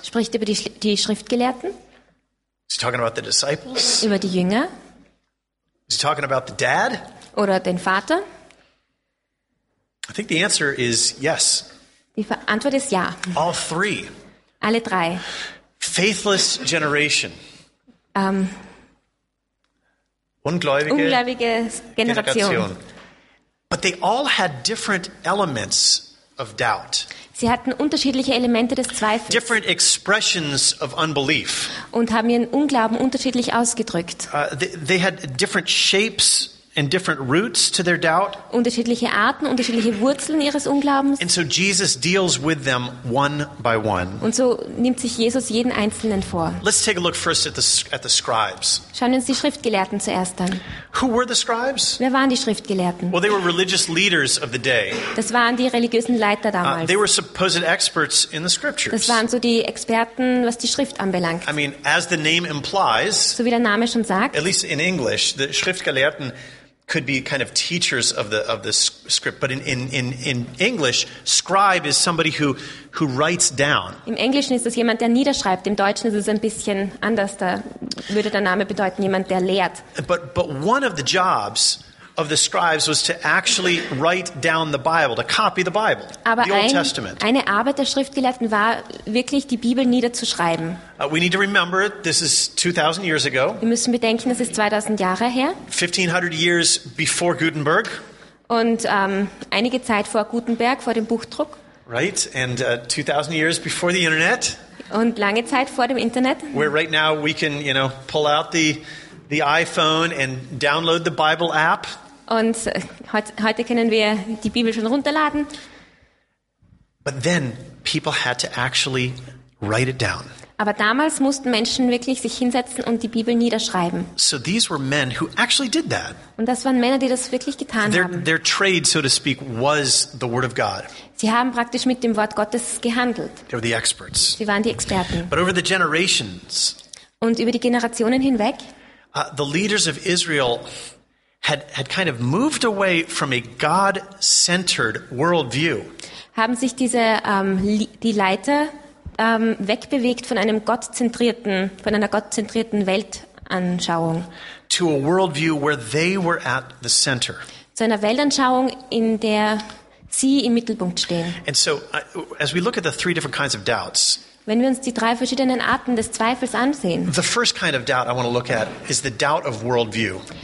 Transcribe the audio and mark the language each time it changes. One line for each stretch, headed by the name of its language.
German: Spricht über die Schriftgelehrten?
English: Is he talking about the disciples?
German: Über die Jünger?
English: Is he talking about the dad?
German: Oder den Vater?
English: I think the answer is yes.
German: Die Antwort ist ja.
English: All three.
German: Alle drei.
English: Faithless generation.
German: Ungläubige Generation.
English: But they all had different elements of doubt.
German: Sie hatten unterschiedliche Elemente des Zweifels.
English: Different expressions of unbelief.
German: Und haben ihren Unglauben unterschiedlich ausgedrückt.
English: They had different shapes and different roots to their doubt.
German: Unterschiedliche Arten, unterschiedliche Wurzeln ihres Unglaubens.
English: And so Jesus deals with them one by one.
German: Und so nimmt sich Jesus jeden einzelnen vor.
English: Let's take a look first at the scribes.
German: Schauen wir uns die Schriftgelehrten zuerst an.
English: Who were the scribes?
German: Wer waren die Schriftgelehrten?
English: Well, they were religious leaders of the day.
German: Das waren die religiösen Leiter damals.
English: They were supposed experts in the scriptures.
German: Das waren so die Experten, was die Schrift anbelangt.
English: I mean, as the name implies.
German: So wie der Name schon sagt.
English: At least in English, the Schriftgelehrten could be kind of teachers of the script, but in English, scribe is somebody who writes down.
German: Im Englischen ist das jemand, der niederschreibt. Im Deutschen ist es ein bisschen anders. Da würde der Name bedeuten jemand, der lehrt.
English: But one of the jobs of the scribes was to actually write down the Bible, to copy the Bible,
German: aber
English: the Old Testament.
German: Eine Arbeit der Schriftgelehrten war wirklich, die Bibel niederzuschreiben.
English: We need to remember this is 2000 years ago.
German: Wir müssen bedenken, das ist 2000 Jahre her.
English: 1500 years before Gutenberg.
German: Und einige Zeit vor Gutenberg, vor dem Buchdruck.
English: Right? And 2000 years before the internet.
German: Und lange Zeit vor dem Internet.
English: Where right now we can, you know, pull out the iPhone and download the Bible app.
German: Und heute können wir die Bibel schon runterladen.
English: But then people had to actually write it down.
German: Aber damals mussten Menschen wirklich sich hinsetzen und die Bibel niederschreiben.
English: So these were men who actually did that.
German: Und das waren Männer, die das wirklich getan
English: their,
German: haben.
English: Their trade, so to speak, was the word of God.
German: Sie haben praktisch mit dem Wort Gottes gehandelt.
English: They were the experts.
German: Sie waren die Experten.
English: But over the generations,
German: und über die Generationen hinweg,
English: the leaders of Israel had kind of moved away from a God-centered worldview.
German: Haben sich diese die Leiter wegbewegt von einem gottzentrierten, von einer gottzentrierten Weltanschauung.
English: To a worldview where they were at the center.
German: Zu einer Weltanschauung, in der sie im Mittelpunkt stehen.
English: And so, as we look at the three different kinds of doubts.
German: Wenn wir uns die drei verschiedenen Arten des Zweifels ansehen.
English: The first kind of doubt I want to look at is the doubt of worldview.